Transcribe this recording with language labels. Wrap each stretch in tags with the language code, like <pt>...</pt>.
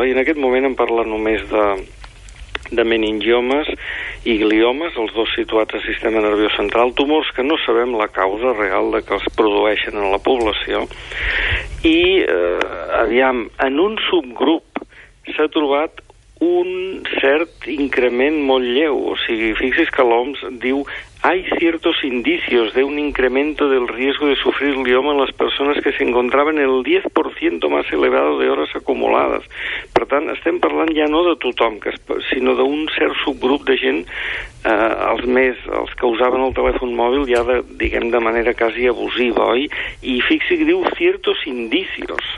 <ca>I en aquest moment en parla només de meningiomes i gliomes, els dos situats al sistema nerviós central, tumors que no sabem la causa real de que els produeixen en la població. I, aviam, en un subgrup s'ha trobat un cert increment molt lleu. O sigui, fixi's que l'OMS diu</ca> <es>hay ciertos indicios de un incremento del riesgo de sufrir glioma en las personas que se encontraban el 10% más elevado de horas acumuladas.</es> <ca>Per tant, estem parlant ja no de tothom, sinó d'un cert subgrup de gent, els que usaven el telèfon mòbil ja, diguem, de manera quasi abusiva, oi? I fixi que diu</ca> <es>ciertos indicios.</es>